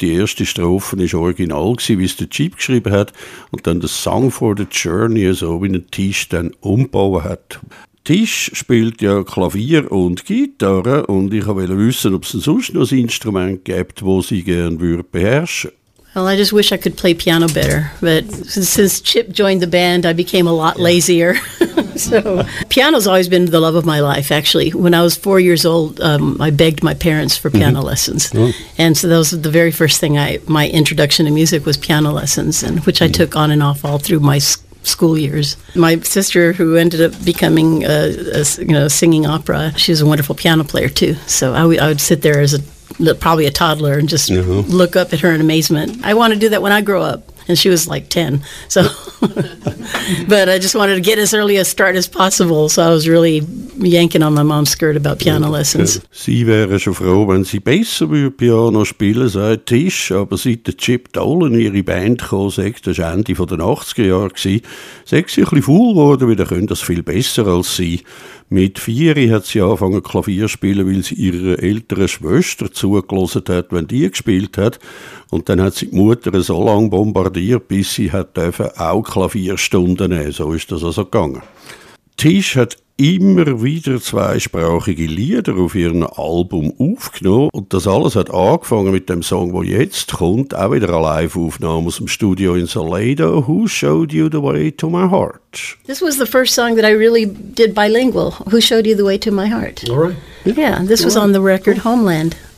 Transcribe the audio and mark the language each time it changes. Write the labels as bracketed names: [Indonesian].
[German] Die erste Strophe war original, wie es der Chip geschrieben hat. Und dann der Song for the Journey, so wie ein Tisch dann umgebaut hat. Tisch spielt ja Klavier und Gitarre. Und ich wollte wissen, ob es sonst noch ein Instrument gibt, das sie gerne beherrschen würde. [English] Well, I just wish I could play piano better, but since Chip joined the band, I became a lot lazier. So, piano's always been the love of my life, actually. When I was 4 years old, I begged my parents for piano lessons. Oh. And so that was the very first thing my introduction to music was piano lessons, and which I took on and off all through my school years. My sister, who ended up becoming a singing opera, she was a wonderful piano player, too. So I would sit there as a probably a toddler and just look up at her in amazement. I want to do that when I grow up. And she was like 10. So, but I just wanted to get as early a start as possible. So I was really yanking on my mom's skirt about piano lessons. [German] Sie wäre schon froh, wenn sie besser würde Piano spielen, sagt Tisch. Aber seit der Chip Dolan in ihre Band kam, sagt, das war Ende der 80er Jahre, sagt sie ein bisschen faul geworden, weil sie können das viel besser als sie. Mit 4 hat sie angefangen Klavier spielen, weil sie ihrer älteren Schwester zugelassen hat, wenn die gespielt hat. Und dann hat sie die Mutter so lange bombardiert, bis sie hat dürfen auch Klavierstunden nehmen. So ist das also gegangen. Tisch hat immer wieder zweisprachige Lieder auf ihrem Album aufgenommen. Und das alles hat angefangen mit dem Song, der jetzt kommt. Auch wieder eine Live-Aufnahme aus dem Studio in Salado. [English] Who Showed You the Way to My Heart? This was the first song that I really did bilingual. Who Showed You the Way to My Heart? All right. Yeah, this was on the record Homeland.